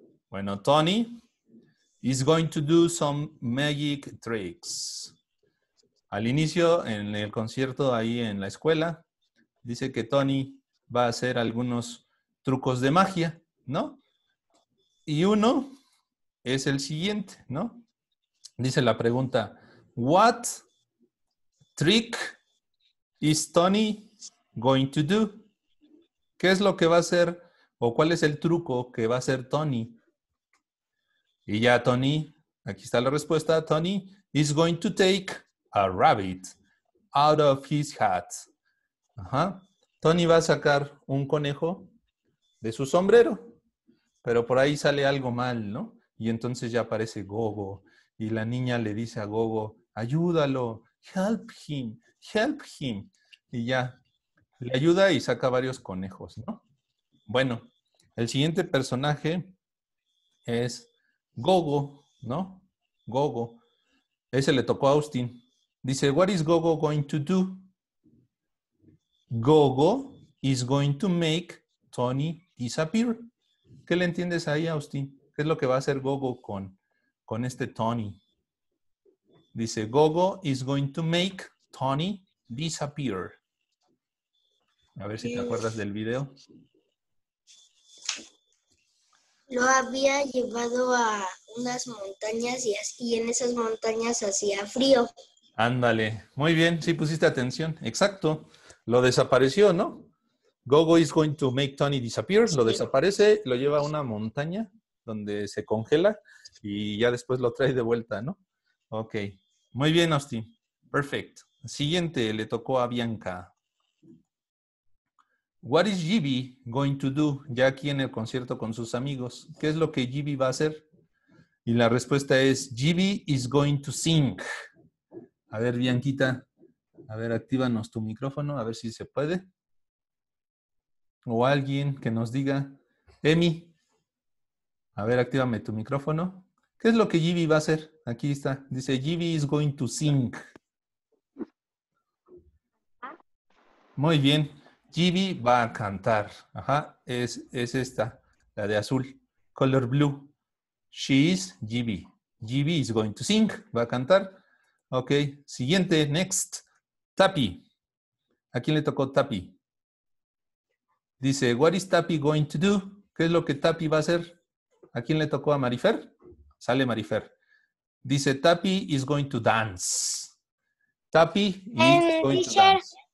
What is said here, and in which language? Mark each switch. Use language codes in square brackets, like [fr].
[en] Bueno, Tony is going to do some magic tricks. [es] Al inicio, en el concierto ahí en la escuela, dice que Tony va a hacer algunos trucos de magia, ¿no? Y uno es el siguiente, ¿no? Dice la pregunta, [en] what trick is Tony going to do? [es] ¿Qué es lo que va a hacer o cuál es el truco que va a hacer Tony? Y ya Tony, aquí está la respuesta, [en] Tony is going to take a rabbit out of his hat. Ajá. [es] Tony va a sacar un conejo de su sombrero, pero por ahí sale algo mal, ¿no? Y entonces ya aparece Gogo y la niña le dice a Gogo, ayúdalo, [en] help him, help him. [es] Y ya, le ayuda y saca varios conejos, ¿no? Bueno, el siguiente personaje es Gogo, ¿no? Gogo. Ese le tocó a Austin. [en] Dice, what is Gogo going to do? Gogo is going to make Tony disappear. [es] ¿Qué le entiendes ahí, Austin? ¿Qué es lo que va a hacer Gogo con este Tony? [en] Dice, Gogo is going to make Tony disappear. [es] A ver si te acuerdas del video. Lo había llevado a unas montañas y así, y en esas montañas hacía frío. Ándale. Muy bien, sí pusiste atención. Exacto. Lo desapareció, ¿no? [en] Gogo is going to make Tony disappear. [es] Lo desaparece, lo lleva a una montaña donde se congela y ya después lo trae de vuelta, ¿no? Ok. Muy bien, Austin. Perfecto. Siguiente, le tocó a Bianca. [en] What is Gibby going to do? [es] Ya aquí en el concierto con sus amigos. ¿Qué es lo que Gibby va a hacer? Y la respuesta es, [en] Gibby is going to sing. [es] A ver, Bianquita. A ver, actívanos tu micrófono, a ver si se puede. O alguien que nos diga. Emi. A ver, actívame tu micrófono. ¿Qué es lo que Gibby va a hacer? Aquí está. [en] Dice, Gibby is going to sing. [es] Muy bien. Gibby va a cantar. Ajá. Es esta, la de azul. [en] Color blue. She is Gibby. Gibby is going to sing. [es] Va a cantar. [en] Ok. [es] Siguiente. [en] Next. Tappy. [es] ¿A quién le tocó Tappy? [en] Dice, what is Tappy going to do? [es] ¿Qué es lo que Tappy va a hacer? ¿A quién le tocó a Marifer? Sale Marifer. [en] Dice, Tappy is going to dance. Tappy is going Richard, to dance.